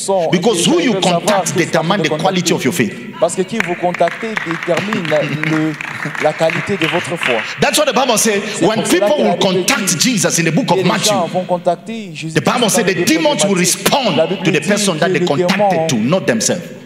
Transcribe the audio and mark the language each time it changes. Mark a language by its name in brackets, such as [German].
[English] Because who you contact determines the quality of your faith. [French] Parce que qui vous contactez détermine la qualité de votre foi. [English] That's what the Bible says. When people will contact Jesus in the book of Matthew, the Bible says the demons will respond to the person that they contacted to, not themselves.